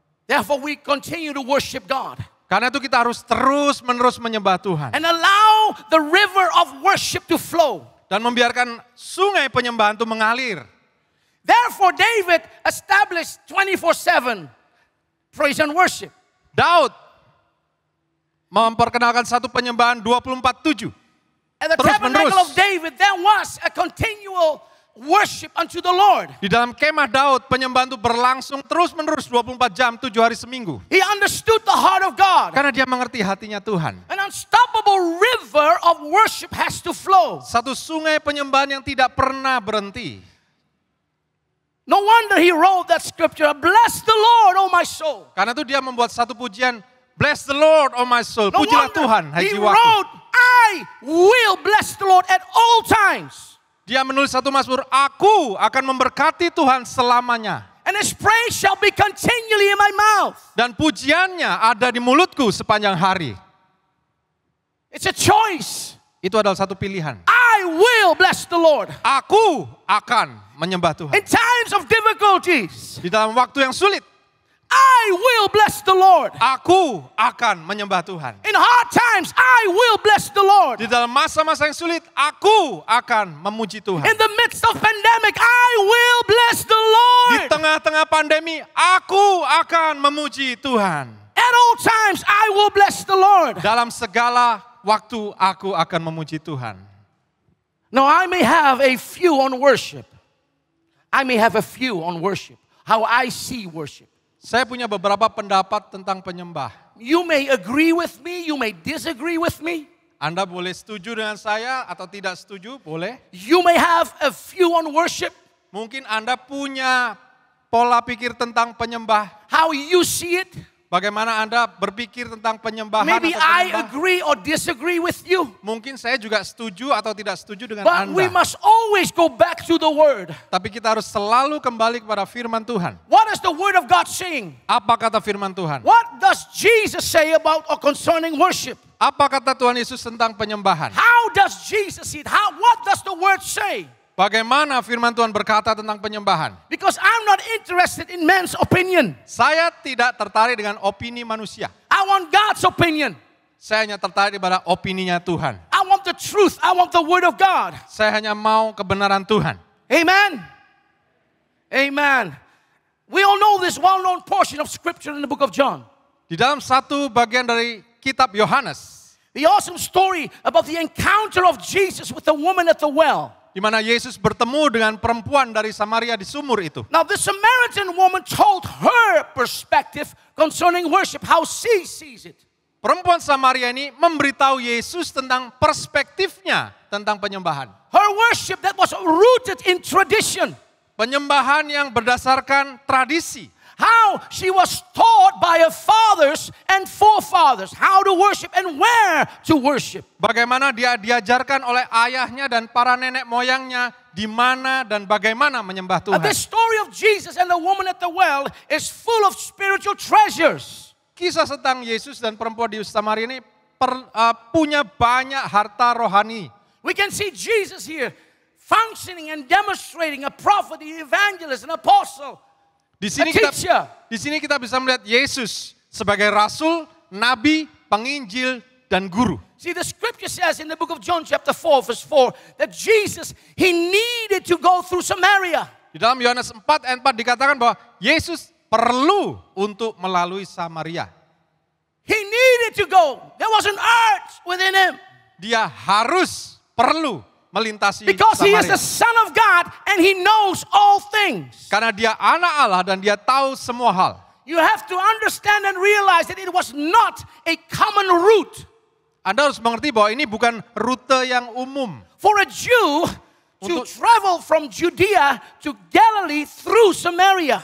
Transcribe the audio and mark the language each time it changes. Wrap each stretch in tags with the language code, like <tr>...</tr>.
<en>Therefore we continue to worship God.</en> <id>Karena itu kita harus terus-menerus menyembah Tuhan.</id> <en>And allow the river of worship to flow.</en> <id>Dan membiarkan sungai penyembahan itu mengalir.</id> <en>Therefore David established 24/7 praise and worship.</en> <id>Daud memperkenalkan satu penyembahan 24/7.</id> <en>At the tabernacle of David there was a continual worship unto the Lord.</en> <id>Di dalam kemah Daud penyembahan itu berlangsung terus-menerus 24 jam 7 hari seminggu.</id> <en>He understood the heart of God.</en> <id>Karena dia mengerti hatinya Tuhan.</id> <en>An unstoppable river of worship has to flow.</en> <id>Satu sungai penyembahan yang tidak pernah berhenti.</id> <en>No wonder he wrote that scripture, bless the Lord, oh my soul.</en> <id>Karena itu dia membuat satu pujian,</id> <en>bless the Lord, oh my soul.</en> <id>Pujilah Tuhan, hai jiwaku.</id> <en>He wrote, I will bless the Lord at all times.</en> <id>Dia menulis satu mazmur, aku akan memberkati Tuhan selamanya.</id> <en>And his praise shall be continually in my mouth.</en> <id>Dan pujiannya ada di mulutku sepanjang hari.</id> <en>It's a choice.</en> <id>Itu adalah satu pilihan.</id> <en>I will bless the Lord.</en> <id>Aku akan menyembah Tuhan.</id> <en>In times of difficulties.</en> <id>Di dalam waktu yang sulit.</id> <en>I will bless the Lord.</en> <id>Aku akan menyembah Tuhan.</id> <en>In hard times, I will bless the Lord.</en> <id>Di dalam masa-masa yang sulit, aku akan memuji Tuhan.</id> <en>In the midst of pandemic, I will bless the Lord.</en> <id>Di tengah-tengah pandemi, aku akan memuji Tuhan.</id> <en>At all times I will bless the Lord.</en> <id>Dalam segala waktu aku akan memuji Tuhan.</id> <en>Now I may have a few on worship. I may have a few on worship. How I see worship.</en> <id>Saya punya beberapa pendapat tentang penyembah.</id> <en>You may agree with me, you may disagree with me.</en> <id>Anda boleh setuju dengan saya atau tidak setuju, boleh.</id> <en>You may have a view on worship.</en> <id>Mungkin Anda punya pola pikir tentang penyembah.</id> <en>How you see it.</en> <id>Bagaimana Anda berpikir tentang penyembahan.</id> <en>Maybe</en> <id>atau penyembah.</id> <en>I agree or disagree with you.</en> <id>Mungkin saya juga setuju atau tidak setuju dengan</id> <en>But</en> <id>Anda.</id> <en>But we must always go back to the word.</en> <id>Tapi kita harus selalu kembali kepada firman Tuhan.</id> <en>What is the word of God saying?</en> <id>Apa kata firman Tuhan?</id> <en>What does Jesus say about or concerning worship?</en> <id>Apa kata Tuhan Yesus tentang penyembahan?</id> <en>How does Jesus say? What does the word say?</en> <id>Bagaimana firman Tuhan berkata tentang penyembahan?</id> <en>Because I'm not interested in man's opinion.</en> <id>Saya tidak tertarik dengan opini manusia.</id> <en>I want God's opinion.</en> <id>Saya hanya tertarik pada opininya Tuhan.</id> <en>I want the truth. I want the word of God.</en> <id>Saya hanya mau kebenaran Tuhan.</id> <en>Amen. Amen. We all know this well-known portion of scripture in the book of John.</en> <id>Di dalam satu bagian dari kitab Yohanes.</id> <en>The awesome story about the encounter of Jesus with the woman at the well.</en> <id>Di mana Yesus bertemu dengan perempuan dari Samaria di sumur itu.</id> <en>Now the Samaritan woman told her perspective concerning worship, how she sees it.</en> <id>Perempuan Samaria ini memberitahu Yesus tentang perspektifnya tentang penyembahan.</id> <en>Her worship that was rooted in tradition.</en> <id>Penyembahan yang berdasarkan tradisi.</id> <en>How she was taught by her fathers and forefathers how to worship and where to worship.</en> <id>Bagaimana dia diajarkan oleh ayahnya dan para nenek moyangnya di mana dan bagaimana menyembah Tuhan.</id> <en>The story of Jesus and the woman at the well is full of spiritual treasures.</en> <id>Kisah tentang Yesus dan perempuan di Samaria ini punya banyak harta rohani.</id> <en>We can see Jesus here functioning and demonstrating a prophet, an evangelist, an apostle.</en> <id>Di sini kita bisa melihat Yesus sebagai rasul, nabi, penginjil dan guru.</id> <en>See the scripture says in the book of John chapter 4 verse 4 that Jesus he needed to go through Samaria.</en> <id>Di dalam Yohanes 4 ayat 4 dikatakan bahwa Yesus perlu untuk melalui Samaria.</id> <en>He needed to go. There was an urge within him.</en> <id>Dia harus perlu melintasi Samaria.</id> <en>Because he is the son of God and he knows all things.</en> <id>Karena dia anak Allah dan dia tahu semua hal.</id> <en>You have to understand and realize that it was not a common route.</en> <id>Anda harus mengerti bahwa ini bukan rute yang umum.</id> <en>For a Jew to travel from Judea to Galilee through Samaria.</en>